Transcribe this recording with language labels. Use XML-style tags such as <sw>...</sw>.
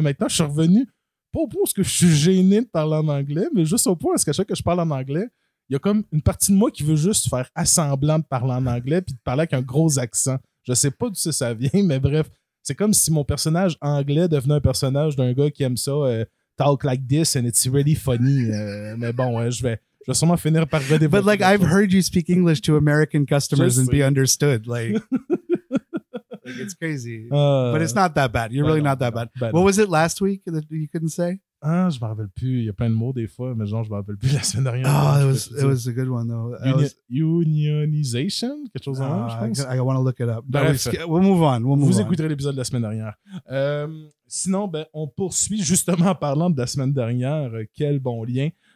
<fr>Maintenant, je suis revenu pas au point parce que je suis gêné de parler en anglais, mais juste au point parce qu'à chaque fois que je parle en anglais, il y a comme une partie de moi qui veut juste faire assemblant de parler en anglais puis de parler avec un gros accent. Je sais pas d'où ça vient, mais bref, c'est comme si mon personnage anglais devenait un personnage d'un gars qui aime ça,</fr> <en>talk like this and it's really funny.</en> <fr>Mais bon, ouais, je vais sûrement finir par redévelopper.</fr> <en>But like, I've heard you speak English to American customers and be understood. Like, like it's crazy. But it's not that bad. You're really not that bad. What was it last week that you couldn't say?</en> <fr>Ah, je m'en rappelle plus. Il y a plein de mots des fois, mais genre, je m'en rappelle plus la semaine dernière.</fr> <en>Oh, it was a good one, though.</en> <fr>Unionization? Quelque chose en je pense.</fr> <en>I want to look it up. We'll move on.</en> <fr>Vous écouterez l'épisode de la semaine dernière. Sinon, ben, on poursuit justement en parlant de la semaine dernière. Quel bon lien.</fr>